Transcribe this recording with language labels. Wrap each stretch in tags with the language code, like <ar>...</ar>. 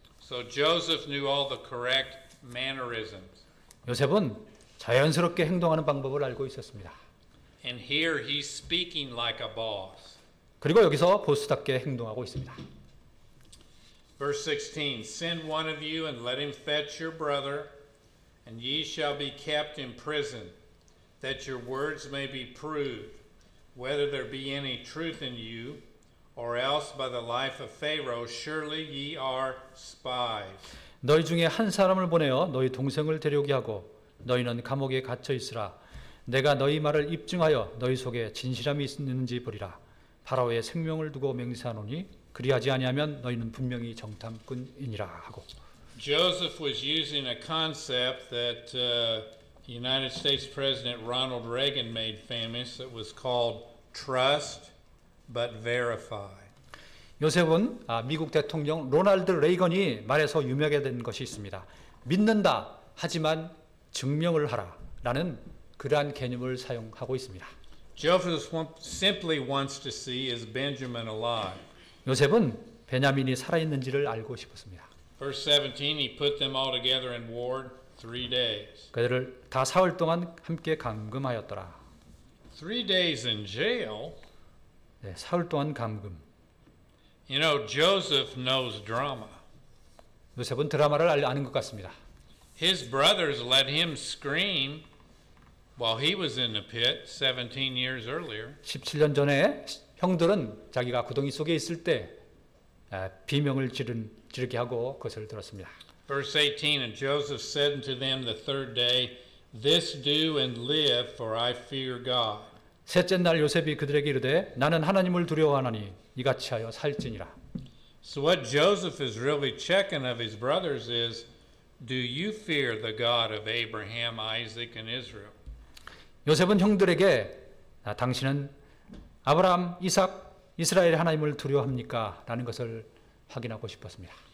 <en>So Joseph knew all the correct mannerisms.</en> <ko>요셉은 자연스럽게 행동하는 방법을 알고 있었습니다.</ko> <en>And here he's speaking like a boss.</en> <ko>그리고 여기서 보스답게 행동하고 있습니다.</ko> <en>Verse 16, send one of you and let him fetch your brother, and ye shall be kept in prison, that your words may be proved, whether there be any truth in you, or else by the life of Pharaoh, surely ye are spies.</en> <ko>너희 중에 한 사람을 보내어 너희 동생을 데려오게 하고 너희는 감옥에 갇혀 있으라. 내가 너희 말을 입증하여 너희 속에 진실함이 있는지 보리라. 파라오의 생명을 두고 맹세하노니 그리하지 아니하면 너희는 분명히 정탐꾼이니라 하고.</ko> <en>Joseph was using a concept that United States President Ronald Reagan made famous that was called trust but verify.</en> <ko>요셉은 미국 대통령 로널드 레이건이 말해서 유명하게 된 것이 있습니다. 믿는다 하지만 증명을 하라라는 그러한 개념을 사용하고 있습니다.</ko> <en>Joseph simply wants to see is Benjamin alive.</en> <ko>요셉은 베냐민이 살아 있는지를 알고 싶었습니다.</ko> <en>Verse 17, he put them all together in ward 3 days.</en> <ko>그들을 다 사흘 동안 함께 감금하였더라.</ko> <en>3 days in jail.</en> <ko>네, 사흘 동안 감금.</ko> <en>You know, Joseph knows drama.</en> <ko>요셉은 드라마를 아는 것 같습니다.</ko> <en>His brothers let him scream while he was in the pit 17 years earlier.</en> <ko>17년 전에 형들은 자기가 구덩이 속에 있을 때 비명을 지르게 하고 그것을 들었습니다.</ko> <en>Verse 18, and Joseph said unto them the third day, this do and live, for I fear God.</en> <ko>셋째 날 요셉이 그들에게 이르되 나는 하나님을 두려워하나니 이같이 하여 살지니라.</ko> <en>So what Joseph is really checking of his brothers is, do you fear the God of Abraham, Isaac, and Israel?</en> <ko>요셉은 형들에게 당신은 아브라함, 이삭, 이스라엘의 하나님을 두려워합니까? 라는 것을 확인하고 싶었습니다.</ko>